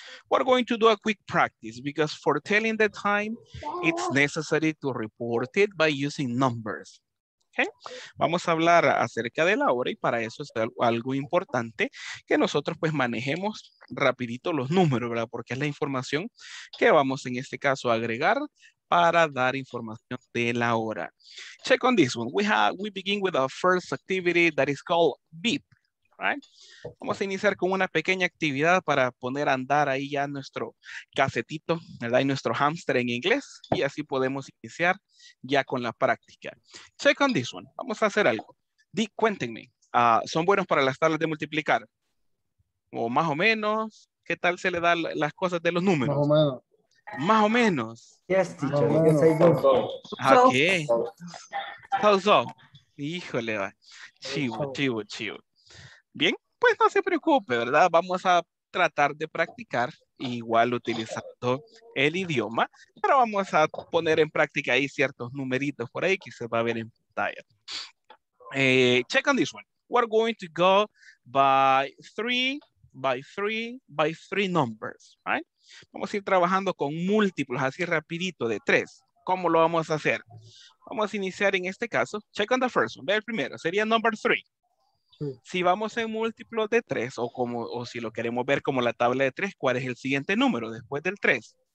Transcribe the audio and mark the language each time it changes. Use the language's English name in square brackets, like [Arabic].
[English] We're going to do a quick practice because for telling the time, it's necessary to report it by using numbers. Okay? [Spanish] Vamos a hablar acerca de la hora y para eso es algo importante que nosotros pues manejemos rapidito los números, ¿verdad? Porque es la información que vamos en este caso a agregar para dar información de la hora. [English] Check on this one. We begin with our first activity that is called beep. Right. [Spanish] Vamos a iniciar con una pequeña actividad para poner a andar ahí ya nuestro casetito, ¿verdad? Y nuestro hamster en inglés. Y así podemos iniciar ya con la práctica. [English] Check on this one. [Spanish] Vamos a hacer algo. Cuéntenme, ¿son buenos para las tablas de multiplicar? O más o menos, ¿qué tal se le da las cosas de los números? Más o menos. Más o menos. [English] Yes, teacher. [Spanish] Más o menos. Okay. So. Híjole, va. Chivo. Bien, pues no se preocupe, ¿verdad? Vamos a tratar de practicar igual utilizando el idioma, pero vamos a poner en práctica ahí ciertos numeritos por ahí que se va a ver en pantalla. [English] Check on this one. We're going to go by three numbers, right? [Spanish] Vamos a ir trabajando con múltiplos así rapidito de tres. ¿Cómo lo vamos a hacer? Vamos a iniciar en este caso. [English] Check on the first one. [Spanish] Ve el primero. Sería [English] number three. [Spanish] Si vamos en múltiplos de 3 o si lo queremos ver como la tabla de 3, ¿cuál es el siguiente número después del 3?